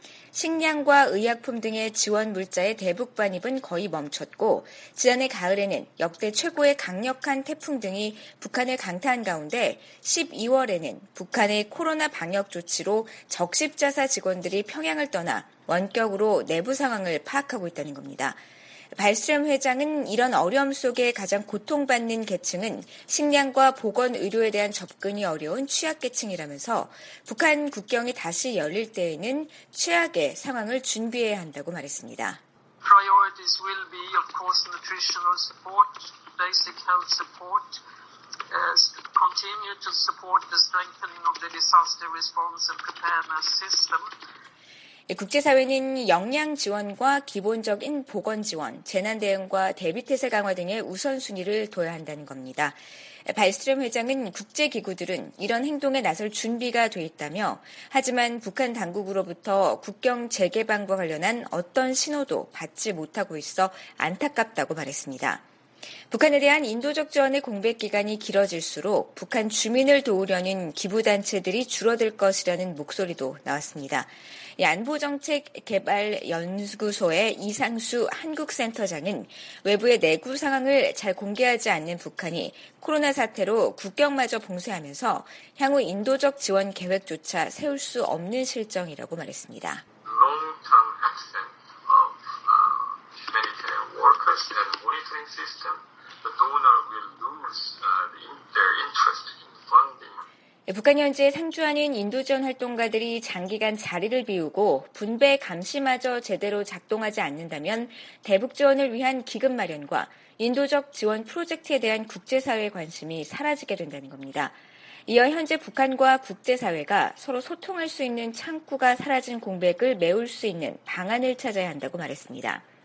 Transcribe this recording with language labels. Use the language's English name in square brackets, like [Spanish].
[Korean] 식량과 의약품 등의 지원 물자의 대북 반입은 거의 멈췄고 지난해 가을에는 역대 최고의 강력한 태풍 등이 북한을 강타한 가운데 12월에는 북한의 코로나 방역 조치로 적십자사 직원들이 평양을 떠나 원격으로 내부 상황을 파악하고 있다는 겁니다. 발스트렘 회장은 이런 어려움 속에 가장 고통받는 계층은 식량과 보건 의료에 대한 접근이 어려운 취약계층이라면서 북한 국경이 다시 열릴 때에는 최악의 상황을 준비해야 한다고 말했습니다. [English] Priorities will be, of course, nutritional support, basic health support, continue to support the strengthening of the disaster response and preparedness system. [Korean] 국제사회는 영양 지원과 기본적인 보건 지원, 재난 대응과 대비태세 강화 등의 우선순위를 둬야 한다는 겁니다. 발스트렘 회장은 국제기구들은 이런 행동에 나설 준비가 돼 있다며 하지만 북한 당국으로부터 국경 재개방과 관련한 어떤 신호도 받지 못하고 있어 안타깝다고 말했습니다. 북한에 대한 인도적 지원의 공백 기간이 길어질수록 북한 주민을 도우려는 기부단체들이 줄어들 것이라는 목소리도 나왔습니다. 안보정책개발연구소의 이상수 한국센터장은 외부의 내구 상황을 잘 공개하지 않는 북한이 코로나 사태로 국경마저 봉쇄하면서 향후 인도적 지원 계획조차 세울 수 없는 실정이라고 말했습니다. [English] Long-term action of humanitarian workers and monitoring system, the donor will lose their interest in funding. [Korean] 북한 현지에 상주하는 인도 지원 활동가들이 장기간 자리를 비우고 분배 감시마저 제대로 작동하지 않는다면 대북 지원을 위한 기금 마련과 인도적 지원 프로젝트에 대한 국제사회의 관심이 사라지게 된다는 겁니다. 이어 현재 북한과 국제사회가 서로 소통할 수 있는 창구가 사라진 공백을 메울 수 있는 방안을 찾아야 한다고 말했습니다.